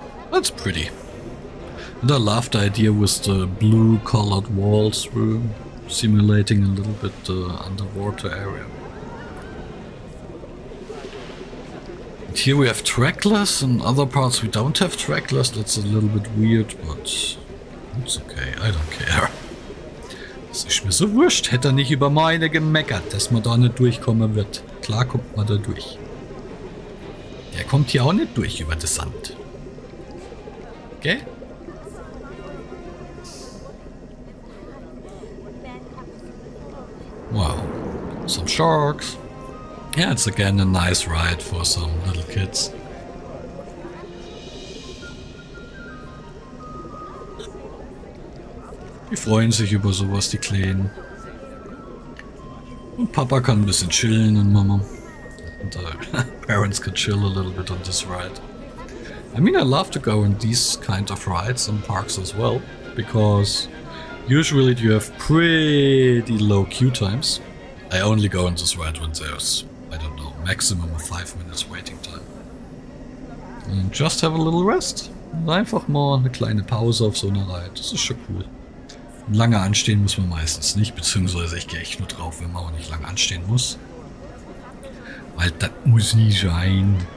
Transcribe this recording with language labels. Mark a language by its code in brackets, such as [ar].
[en] That's pretty. And I love the idea with the blue colored walls room, simulating a little bit the underwater area. Here we have trackless, and other parts we don't have trackless. That's a little bit weird, but it's okay. I don't care. [de] Das ist mir so wurscht. Hätte er nicht über meine gemeckert, dass man da nicht durchkommen wird. Klar kommt man da durch. Der kommt hier auch nicht durch über das Sand. Okay? [en] Wow. Some sharks. Yeah, it's again a nice ride for some little kids. [de] Die freuen sich über sowas, die Kleinen. Und Papa kann ein bisschen chillen und Mama. [en] And parents can chill a little bit on this ride. I mean, I love to go on these kind of rides in parks as well, because usually you have pretty low queue times. I only go on this ride when there's, I don't know, maximum of 5 minutes waiting time. And just have a little rest. [de] Und einfach mal eine kleine Pause auf so einer Reihe. Das ist schon cool. Und lange anstehen muss man meistens nicht, beziehungsweise ich gehe echt nur drauf, wenn man auch nicht lange anstehen muss. Weil das muss nie sein.